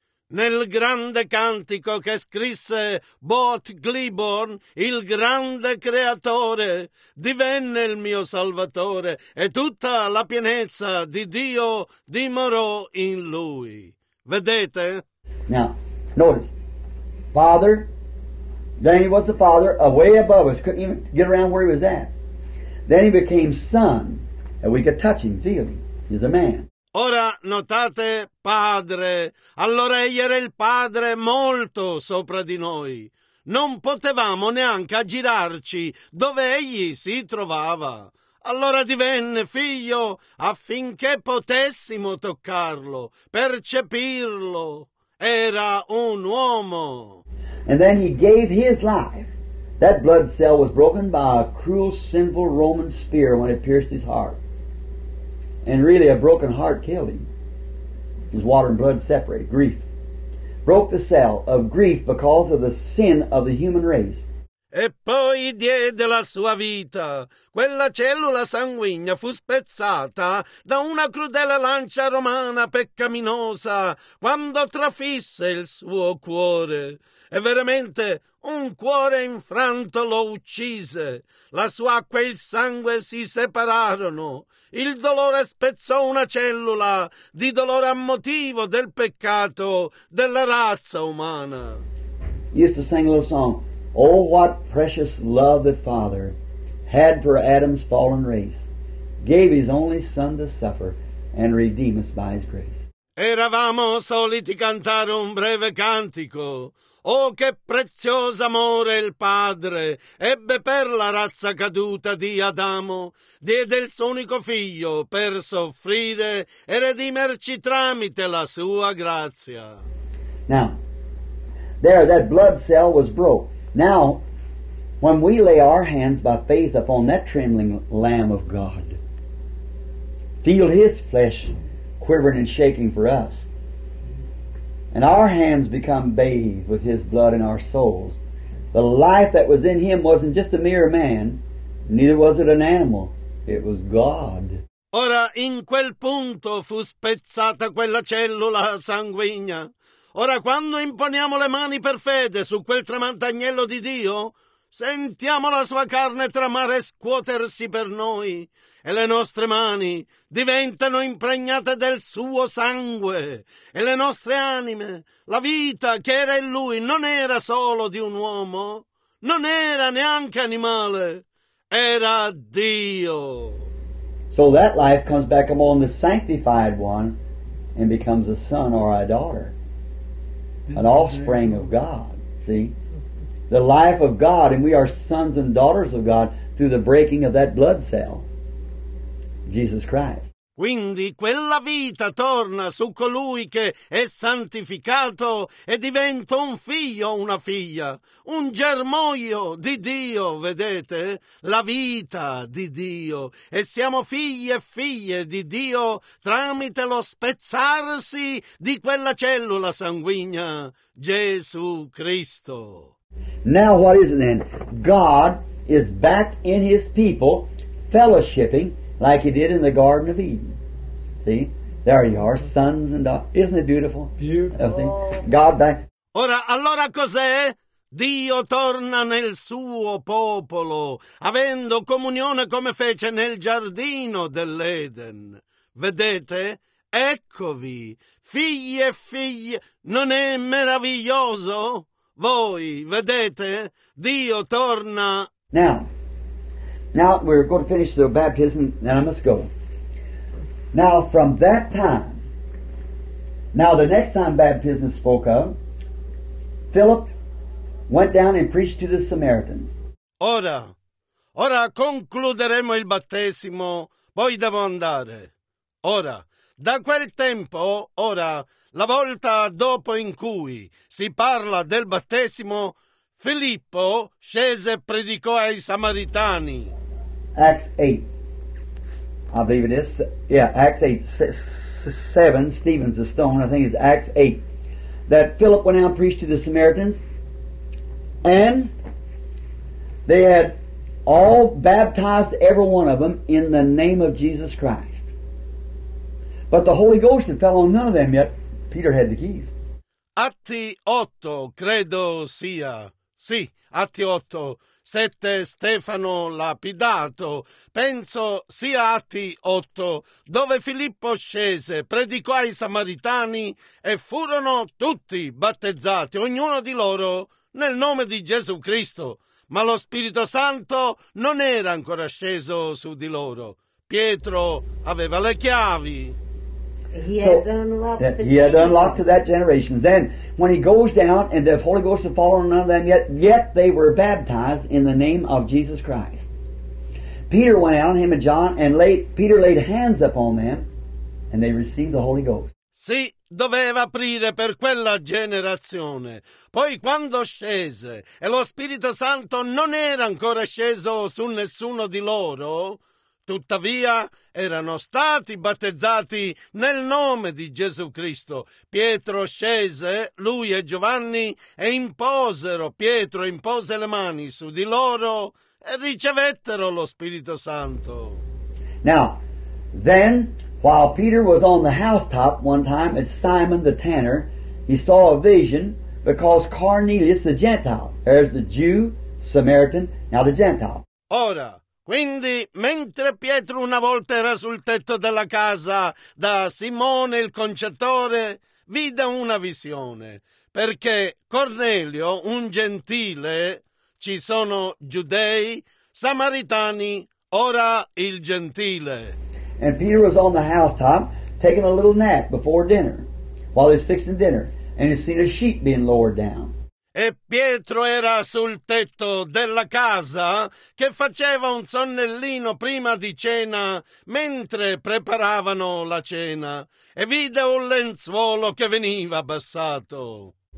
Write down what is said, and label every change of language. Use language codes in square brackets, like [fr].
[it] nel grande cantico che scrisse Boat Gliborn, il grande creatore, divenne il mio salvatore e tutta la pienezza di Dio dimorò in lui. Vedete? [en] Now, notice. Father, Danny was the father, way above us, couldn't even get around where he was at. Then he became son, and we could touch him, feel him. He's a man. [it] Ora notate, padre, allora egli era il padre molto sopra di noi. Non potevamo neanche aggirarci dove egli si trovava. Allora divenne figlio affinché potessimo toccarlo, percepirlo. Era un uomo. [en] And then he gave his life. That blood cell was broken by a cruel, sinful Roman spear when it pierced his heart. And really, a broken heart killed him. His water and blood separated. Grief. Broke the cell of grief because of the sin of the human race. [it] E poi diede la sua vita. Quella cellula sanguigna fu spezzata da una crudele lancia romana peccaminosa quando trafisse il suo cuore. E veramente un cuore infranto lo uccise. La sua acqua e il sangue si separarono. Il dolore spezzò una cellula di dolore a motivo del peccato della razza umana. [en] He used to sing a little song. Oh, what precious love the Father had for Adam's fallen race, gave his only Son to suffer and redeem us by his grace. [it] Eravamo soliti cantare un breve cantico. Oh, che prezioso amore il Padre ebbe per la razza caduta di Adamo, diede il suo unico figlio per soffrire e redimerci tramite la sua grazia. [en] Now, there that blood cell was broke. Now, when we lay our hands by faith upon that trembling Lamb of God, feel His flesh quivering and shaking for us, and our hands become bathed with His blood in our souls, the life that was in Him wasn't just a mere man, neither was it an animal, it was God. [it] Ora, in quel punto fu spezzata quella cellula sanguigna. Ora, quando imponiamo le mani per fede su quel tremante agnello di Dio, sentiamo la sua carne tremare e scuotersi per noi, e le nostre mani diventano impregnate del suo sangue, e le nostre anime, la vita che era in lui, non era solo di un uomo, non era neanche animale, era Dio. [en] So that life comes back upon the sanctified one and becomes a son or a daughter. An offspring of God, see? The life of God, and we are sons and daughters of God through the breaking of that blood cell, Jesus Christ. [it] Quindi quella vita torna su colui che è santificato e diventa un figlio o una figlia, un germoglio di Dio, vedete? La vita di Dio. E siamo figli e figlie di Dio tramite lo spezzarsi di quella cellula sanguigna, Gesù Cristo. [en] Now what is it then? God is back in His people fellowshipping like He did in the Garden of Eden. See? There you are, sons and daughters. Isn't it beautiful? Beautiful. God back. [it] Ora, allora cos'è? Dio torna nel suo popolo, avendo comunione come fece nel giardino dell'Eden. Vedete? Eccovi, figli e figlie. Non è meraviglioso? Voi, vedete? Dio torna. [en] Now we're going to finish the baptism, and I must go. Now, from that time, now the next time baptism spoke of, Philip went down and preached to the Samaritans. [it] Ora concluderemo il battesimo, poi devo andare. Ora, da quel tempo, ora, la volta dopo in cui si parla del battesimo, Filippo scese e predicò ai Samaritani. [en] Acts 8. I believe it is. Yeah, Acts 8, 7, Stephen's a stone. I think it's Acts 8. That Philip went out and preached to the Samaritans. And they had all baptized every one of them in the name of Jesus Christ. But the Holy Ghost had fell on none of them yet. Peter had the keys. [it] Atti 8, credo sia. Sì, Atti 8. 7 Stefano lapidato, penso sia Atti 8, dove Filippo scese, predicò ai Samaritani e furono tutti battezzati, ognuno di loro, nel nome di Gesù Cristo. Ma lo Spirito Santo non era ancora sceso su di loro. Pietro aveva le chiavi. [en] He had unlocked to that generation. Then, when he goes down, and the Holy Ghost had fallen on none of them yet they were baptized in the name of Jesus Christ. Peter went out, him and John, and Peter laid hands upon them, and they received the Holy Ghost. [it] Sì, doveva aprire per quella generazione. Poi, quando scese, e lo Spirito Santo non era ancora sceso su nessuno di loro. Tuttavia, erano stati battezzati nel nome di Gesù Cristo. Pietro scese, lui e Giovanni, e Pietro impose le mani su di loro e ricevettero lo Spirito Santo. [en] Now, then, while Peter was on the housetop one time at Simon the Tanner, he saw a vision because Cornelius the Gentile, there's the Jew, Samaritan, now the Gentile. [it] Ora, quindi, mentre Pietro una volta era sul tetto della casa da Simone il concettore, vide una visione, perché Cornelio, un gentile, ci sono giudei, samaritani, ora il gentile. [en] And Peter was on the housetop, taking a little nap before dinner, while he was fixing dinner, and he seen a sheep being lowered down. [it] E Pietro era sul tetto della casa che faceva un sonnellino prima di cena mentre preparavano la cena e vide un lenzuolo che veniva abbassato.